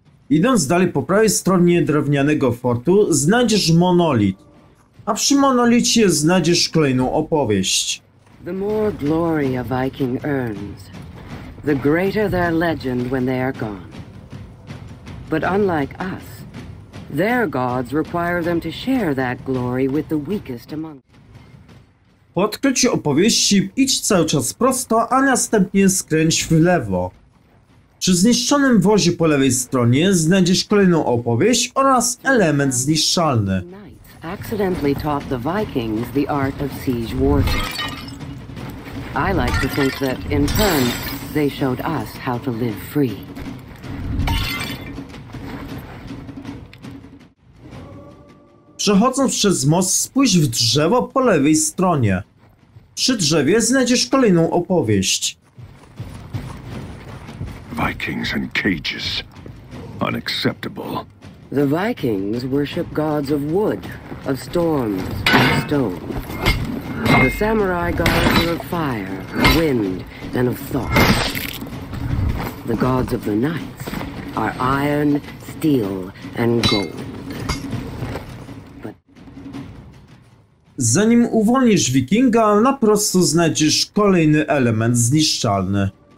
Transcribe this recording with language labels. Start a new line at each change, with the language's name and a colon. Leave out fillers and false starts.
Polish: Idąc dalej po prawej stronie drewnianego fortu, znajdziesz monolit. A przy monolicie znajdziesz kolejną opowieść.
English: The more glory a Viking earns, the greater their legend when they are gone. But unlike us, their gods require them to share that glory with the weakest among them.
Polish: Po odkryciu opowieści idź cały czas prosto, a następnie skręć w lewo. Przy zniszczonym wozie po lewej stronie znajdziesz kolejną opowieść oraz element zniszczalny.
English: Knights accidentally taught the Vikings the art of siege warfare. I like to think that, in turn, they showed us how to live free.
Polish: Przechodząc przez most, spójrz w drzewo po lewej stronie. Przy drzewie znajdziesz kolejną opowieść.
English: Vikings in cages. Unacceptable. The Vikings worship gods of wood, of storms, and stone. The samurai gods were of fire, wind, and of thought. The gods of the knights are iron, steel, and gold. But...
Polish: Zanim uwolnisz Wikinga, na prosto znajdziesz kolejny element zniszczalny.